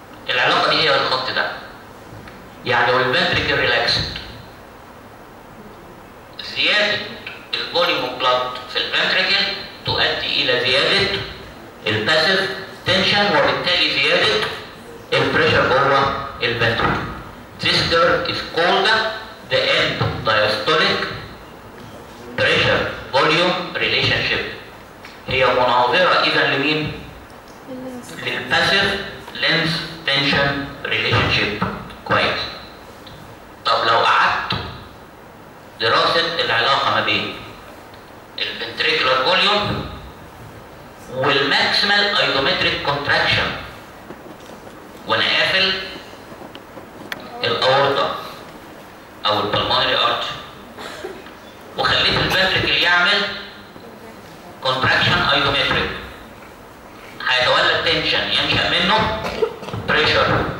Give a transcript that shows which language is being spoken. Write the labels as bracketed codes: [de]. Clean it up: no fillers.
[ar] العلاقه دي هي الخط ده. يعني والفنتريكل ريلاكسد زياده الفوليوم بلاد في الفنتريكل تؤدي الى زياده الباسيف تنشن وبالتالي زياده البريشر جوه الفنتريكل. [en] This curve is called the end diastolic pressure volume relationship. [ar] هي مناظره اذا لمين؟ للباسيف لينس تنشن ريليشن شيب. كويس. طب لو قعدت دراسه العلاقه ما بين الفنتريكولار فوليوم والماكسيمال ايزومتريك كونتراكشن وانا قافل الاورطه او البلمونري ارت وخليت الفنتريكل يعمل كونتراكشن ايزومتريك هيتولد تنشن ينشا منه بريشر.